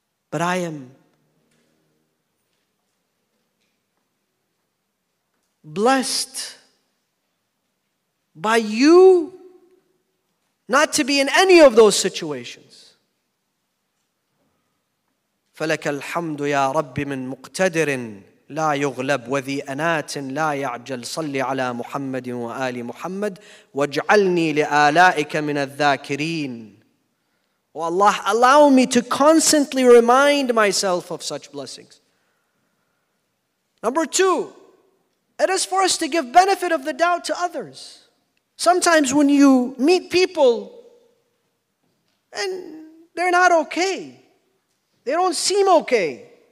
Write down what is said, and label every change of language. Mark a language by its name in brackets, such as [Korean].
[English] But I am blessed by you not to be in any of those situations. [Arabic] فلك الحمد يا رب من مقتدر لا يغلب وذي أنات لا يعجل صل على محمد وآل محمد واجعلني لآلائك من الذاكرين. [English] Oh Allah, allow me to constantly remind myself of such blessings. Number two, it is for us to give benefit of the doubt to others. Sometimes when you meet people and they're not okay, they don't seem okay.